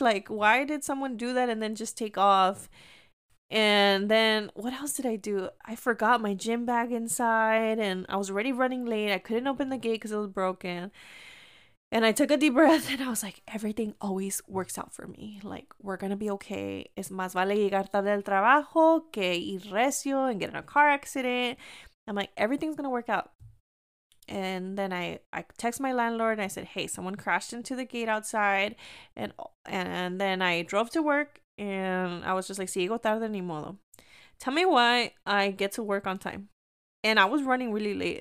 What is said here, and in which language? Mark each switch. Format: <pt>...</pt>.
<en>Like, why did someone do that and then just take off? And then what else did I do? I forgot my gym bag inside and I was already running late. I couldn't open the gate because it was broken. And I took a deep breath and I was like, everything always works out for me. Like, we're going to be okay.</en> <es>Es más vale llegar tarde al trabajo que ir recio</es> <en>and get in a car accident. I'm like, everything's going to work out. And then I text my landlord and I said, hey, someone crashed into the gate outside. And then I drove to work. And I was just like,</en> <es>si llego tarde, ni modo.</es> <en>Tell me why I get to work on time. And I was running really late.</en>